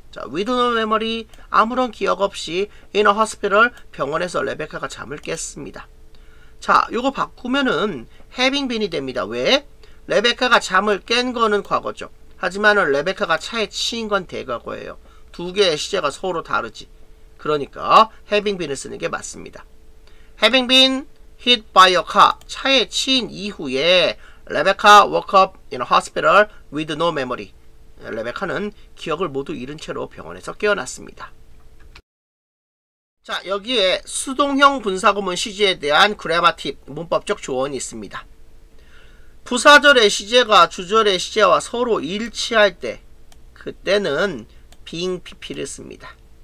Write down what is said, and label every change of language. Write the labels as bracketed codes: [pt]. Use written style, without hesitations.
[ko] 자, [en] with no memory, [ko] 아무런 기억 없이 [en] in a hospital, [ko] 병원에서 레베카가 잠을 깼습니다. 자, 요거 바꾸면은 having been이 됩니다. 왜? 레베카가 잠을 깬 거는 과거죠. 하지만은 레베카가 차에 치인 건 대과거예요. 두 개의 시제가 서로 다르지. 그러니까 having been을 쓰는 게 맞습니다. [en] having been hit by a car, [ko] 차에 치인 이후에 [en] 레베카 woke up in a hospital with no memory. [ko] 레베카는 기억을 모두 잃은 채로 병원에서 깨어났습니다. 자, 여기에 수동형 분사구문 시제에 대한 그래마 팁, 문법적 조언이 있습니다. 부사절의 시제가 주절의 시제와 서로 일치할 때, 그때는 being PP를 씁니다.